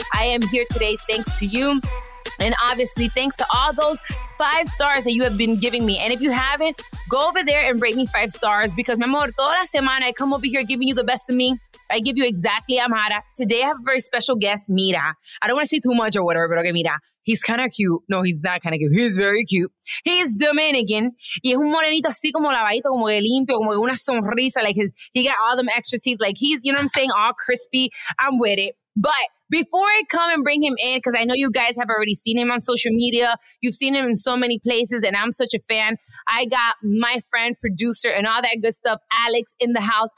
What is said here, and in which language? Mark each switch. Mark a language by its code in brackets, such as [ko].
[en] I am here today thanks to you, and obviously thanks to all those 5 stars that you have been giving me. And if you haven't, go over there and rate me 5 stars because, [es] mi amor, toda semana [en] I come over here giving you the best of me. I give you Exactly Amara. Today, I have a very special guest, Mira. I don't want to say too much or whatever, but okay, Mira. He's kind of cute. No, he's not kind of cute. He's very cute. He's Dominican. [es] Y es un morenito así como lavadito, como que limpio, como que una sonrisa. [en] Like, he got all them extra teeth. Like, he's, you know what I'm saying, all crispy. I'm with it. But before I come and bring him in, because I know you guys have already seen him on social media, you've seen him in so many places, and I'm such a fan, I got my friend, producer, and all that good stuff, Alex, in the house.